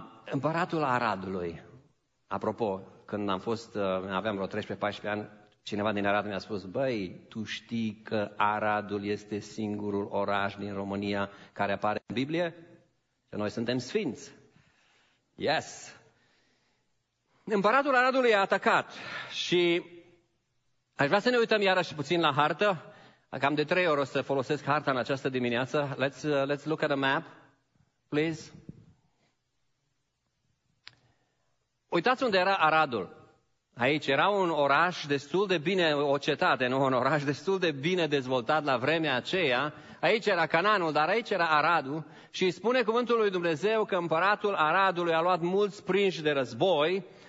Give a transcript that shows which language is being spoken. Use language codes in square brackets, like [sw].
[ro] Împăratul Aradului, apropo, când am fost, aveam vreo 13-14 ani, cineva din Arad mi-a spus, băi, tu știi că Aradul este singurul oraș din România care apare în Biblie? Că noi suntem sfinți. [en] Yes! [ro] Împăratul Aradului a atacat și aș vrea să ne uităm iarăși puțin la hartă. Cam de 3 ori o să folosesc harta în această dimineață. [en] Let's look at a map, please. [ro] Uitați unde era Aradul. Aici era un oraș destul de bine, o cetate, nu? Un oraș destul de bine dezvoltat la vremea aceea. Aici era Cananul, dar aici era Aradul. Și spune cuvântul lui Dumnezeu că împăratul Aradului a luat mulți prinși de război.